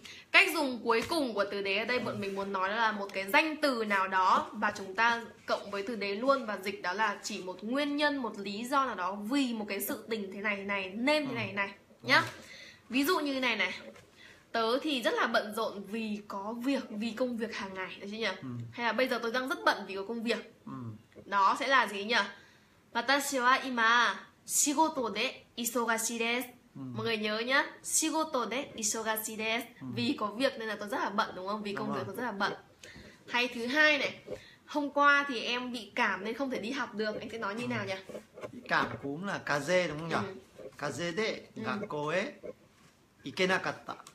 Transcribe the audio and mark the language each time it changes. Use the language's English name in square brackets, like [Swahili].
[Vietnamese] Cách dùng cuối cùng của từ đế ở đây bọn mình muốn nói là một cái danh từ nào đó và chúng ta cộng với từ đế luôn và dịch đó là chỉ một nguyên nhân, một lý do nào đó vì một cái sự tình thế này này nên thế này này nhá. Ví dụ như này này, tớ thì rất là bận rộn vì có việc, vì công việc hàng ngày đấy chứ nhỉ. Hay là bây giờ tớ đang rất bận vì có công việc. Đó sẽ là gì nhỉ? [Japanese] 私は今仕事で忙しいです. [Vietnamese] Mọi người nhớ nhá, [Japanese] 仕事で忙しいです. [Vietnamese] Vì có việc nên là tôi rất là bận đúng không? Vì công việc tôi rất là bận. Hay thứ hai này, hôm qua thì em bị cảm nên không thể đi học được. Anh sẽ nói như nào nhỉ? Cảm cúm là kaze đúng không nhỉ? [Japanese] Kaze de gakkou e ikenakatta.